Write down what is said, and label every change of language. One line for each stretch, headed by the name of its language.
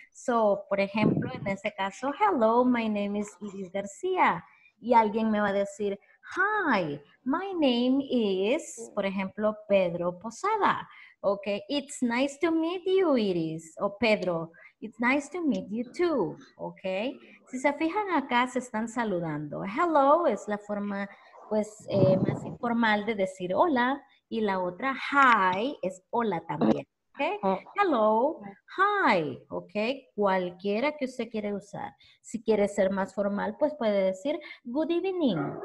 Spanish: So, por ejemplo, en este caso,
English: hello, my name is
Spanish: Iris García. Y alguien me va a decir,
English: hi, my name is,
Spanish: por ejemplo, Pedro Posada.
English: Okay, it's nice to meet you, Iris, o Pedro. It's nice to meet you too, okay?
Spanish: Si se fijan acá, se están saludando. Hello es la forma, pues, más informal de decir hola. Y la otra, hi, es hola también, okay?
English: Hello, hi, okay?
Spanish: Cualquiera que usted quiere usar. Si quiere ser más formal, pues puede decir
English: good evening.